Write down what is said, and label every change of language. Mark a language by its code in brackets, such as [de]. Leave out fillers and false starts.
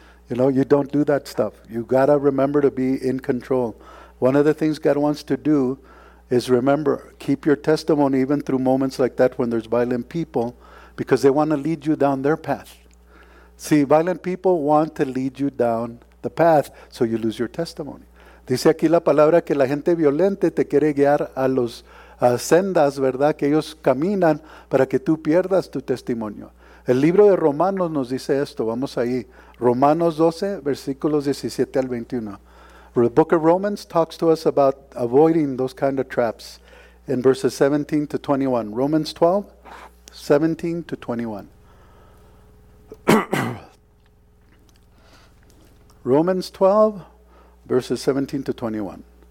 [en] You know, you don't do that stuff. You got to remember to be in control. One of the things God wants to do is remember, keep your testimony even through moments like that when there's violent people, because they want to lead you down their path. See, violent people want to lead you down the path, so you lose your testimony. [es] Dice aquí la palabra que la gente violenta te quiere guiar a los sendas, ¿verdad? Que ellos caminan para que tú pierdas tu testimonio. El libro de Romanos nos dice esto, vamos ahí. Romanos 12, versículos 17 al 21. [en] The book of Romans talks to us about avoiding those kind of traps in verses 17 to 21. Romans 12, 17 to 21. Romans 12, verses 17 to 21.